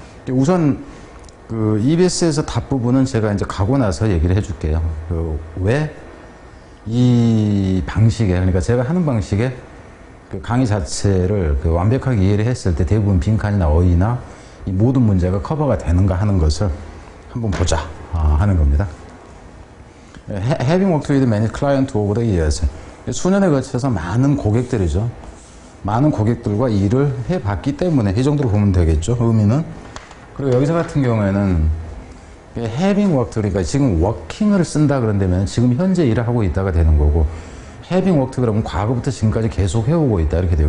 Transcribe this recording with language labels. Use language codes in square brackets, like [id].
[ko] 우선 그 EBS에서 답 부분은 제가 이제 가고 나서 얘기를 해줄게요. 그 왜 이 방식에, 그러니까 제가 하는 방식에 그 강의 자체를 그 완벽하게 이해를 했을 때 대부분 빈칸이나 어휘나 이 모든 문제가 커버가 되는가 하는 것을 한번 보자 하는 겁니다. [en] Having worked with many clients over the years. [ko] 수년에 걸쳐서 많은 고객들이죠. 많은 고객들과 일을 해봤기 때문에 이 정도로 보면 되겠죠. 의미는. 그리고 여기서 같은 경우에는 having worked, 그러니까 지금 working을 쓴다 그런다면 지금 현재 일을 하고 있다가 되는 거고, having worked 그러면 과거부터 지금까지 계속 해오고 있다 이렇게 돼요.